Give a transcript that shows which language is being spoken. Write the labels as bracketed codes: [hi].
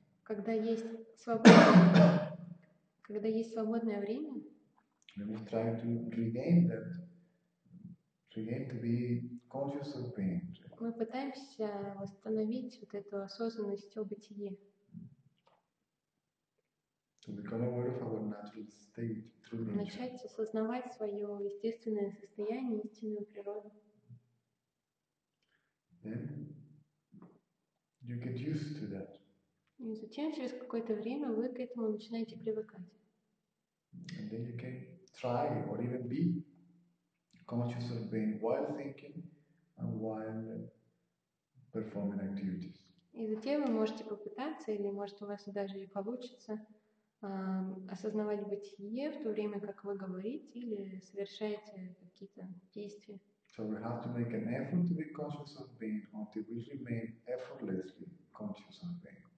[ru] когда есть свободное, когда есть свободное время, [en] we try to regain that, regain to be conscious of being. [ru] Мы пытаемся восстановить вот эту осознанность о бытии. [en] To become aware of our natural state through nature. [ru] Начать осознавать свое естественное состояние, истинную природу. [en] Then you get used to that. [ru] И затем через какое-то время вы к этому начинаете привыкать. [en] And then you can try or even be conscious of being while thinking and while performing activities. [ru] И затем вы можете попытаться, или может у вас даже и получится, осознавать бытие в то время, как вы говорите или совершаете какие-то действия. [en] So we have to make an effort to be conscious of being, until we remain effortlessly conscious of being.